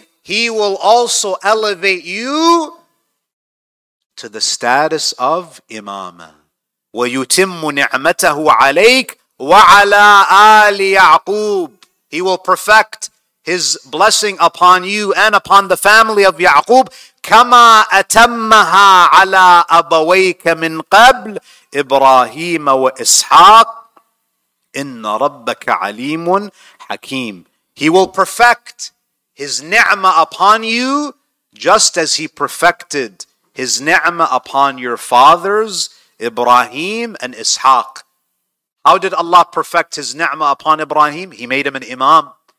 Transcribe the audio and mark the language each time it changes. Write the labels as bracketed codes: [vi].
[en] He will also elevate you to the status of imama. [ar] وَيُتِمُّ نِعْمَتَهُ عَلَيْكَ وَعَلَىٰ آلِ يَعْقُوبِ. [en] He will perfect His blessing upon you and upon the family of Ya'qub. [ar] كَمَا أَتَمَّهَا عَلَىٰ أَبَوَيْكَ مِنْ قَبْلِ إِبْرَاهِيمَ وَإِسْحَاقِ إِنَّ رَبَّكَ عَلِيمٌ Hakim. [en] He will perfect His ni'mah upon you just as He perfected His ni'mah upon your fathers, Ibrahim and Ishaq. How did Allah perfect His ni'mah upon Ibrahim? He made him an imam.